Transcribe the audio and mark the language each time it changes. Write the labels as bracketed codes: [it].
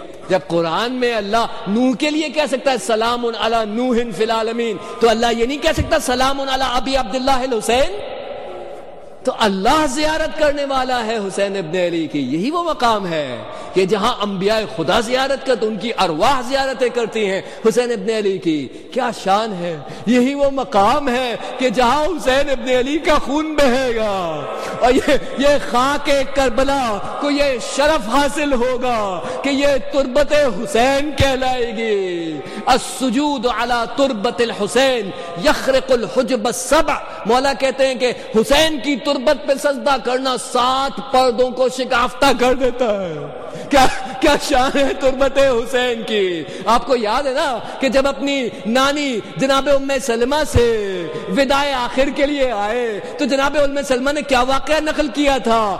[ur] جب قرآن میں اللہ نوح کے لیے کہہ سکتا ہے [ar] سلام علی نوح فی العالمین, [ur] تو اللہ یہ نہیں کہہ سکتا [ar] سلام علی ابی عبداللہ الحسین, [ur] تو اللہ زیارت کرنے والا ہے حسین ابن علی کی, یہی وہ مقام ہے کہ جہاں انبیاء خدا زیارت کرتے ان کی ارواح زیارتیں کرتی ہیں حسین ابن علی کی, کیا شان ہے. یہی وہ مقام ہے کہ جہاں حسین ابن علی کا خون بہے گا اور یہ خاک کربلا کو یہ شرف حاصل ہوگا کہ یہ تربت حسین کہلائے گی, [ar] السجود على تربت الحسین یخرق الحجب السبع. [ur] مولا کہتے ہیں کہ حسین کی تربت پہ سجدہ کرنا سات پردوں کو شکافتہ کر دیتا ہے. کیا شان ہے تربت حسین کی. آپ کو یاد ہے نا کہ جب اپنی نانی جناب ام سلمہ سے وداع آخر کے لیے آئے تو جناب ام سلمہ نے کیا واقعہ نقل کیا تھا.